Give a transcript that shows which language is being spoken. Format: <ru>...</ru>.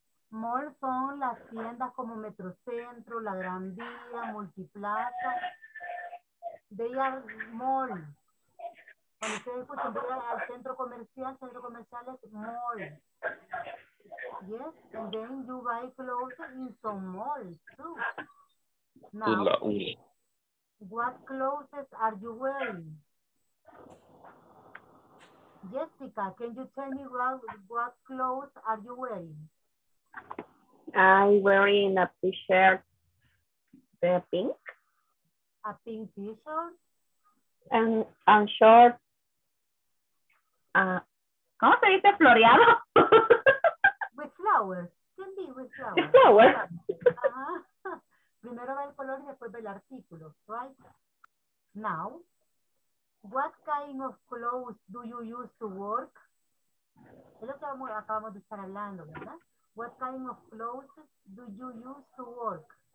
<es>Mall son las tiendas como Metrocentro, La Gran Vía, Multiplaza.</es> <en>They are mall.</en> <es>Cuando ustedes escuchan al centro comercial es mall.</es> <en>Yes, and then you buy clothes in some malls too. Now, what clothes are you wearing? Jessica, can you tell me what clothes are you wearing? I'm wearing a t-shirt, the pink. A pink t-shirt? And short.</en> <es>¿Cómo se dice floreado?</es> <en>With flowers. Can be with flowers. With flowers. Uh-huh.</en> <es>Primero ve el color y después ve el artículo, right?</es> <en>Now, what kind of clothes do you use to work?</en> <es>Es lo que acabamos de estar hablando, ¿verdad?</es> <en>What kind of clothes do you use to work?</en>